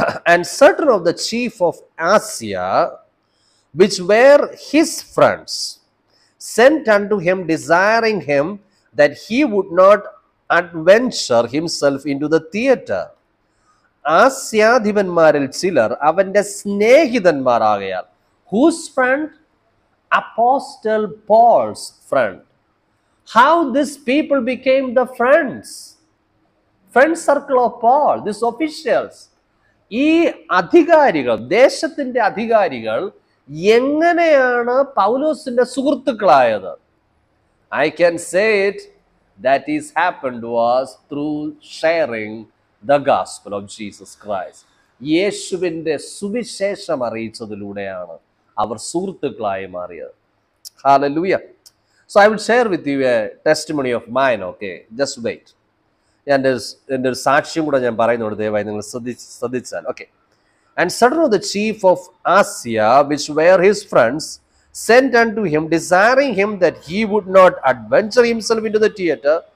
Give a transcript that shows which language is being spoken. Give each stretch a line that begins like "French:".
English: And certain of the chief of Asia, which were his friends, sent unto him, desiring him that he would not adventure himself into the theater.
Malayalam: ആസ്യാധിപന്മാരിൽ ചിലർ അവന്റെ സ്നേഹിതന്മാരാകയാൽ.
English: Whose friend? Apostle Paul's friend. How these people became the friends? Friend circle of Paul, these officials. ഈ
Malayalam: അധികാരികൾ, ദേശത്തിന്റെ അധികാരികൾ എങ്ങനെയാണ് പൗലോസിന്റെ സുഹൃത്തുക്കളായത്?
English: I can say it, that is happened was through sharing the gospel of Jesus Christ.
Malayalam: യേശുവിന്റെ സുവിശേഷം അറിയിച്ചതിലൂടെയാണ് അവർ സുഹൃത്തുക്കളായി മാറിയത്.
English: Hallelujah. So I will share with you a testimony of mine. Okay, just wait.
Malayalam: എന്റെ ഒരു സാക്ഷ്യം കൂടെ ഞാൻ പറയുന്നുണ്ട്, ദയവായി നിങ്ങൾ ശ്രദ്ധിച്ചാൽ.
English: Okay. And certain of the chief of Asia, which were his friends, sent unto him, desiring him that he would not adventure himself into the theater.